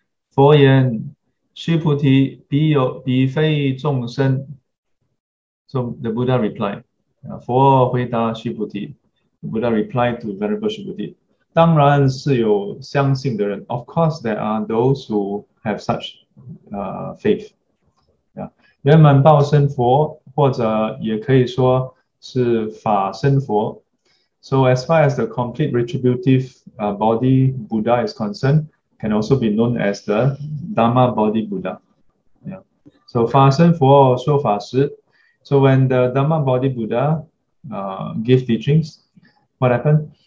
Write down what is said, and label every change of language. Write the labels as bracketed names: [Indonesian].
[Chinese] 佛言：须菩提，彼非众生。 [English] So the Buddha replied， [Chinese] 佛回答须菩提。 [English] The Buddha replied to Venerable Subhuti， [Chinese] 当然是有相信的人。 [English] Of course there are those who have such faith。 [Chinese] 圆满报身佛，或者也可以说是法身佛。 [English] So as far as the complete retributive body Buddha is concerned, can also be known as the Dharma body Buddha. So [Chinese] 法身佛说法时, [English] so when the Dharma body Buddha give teachings, what happened?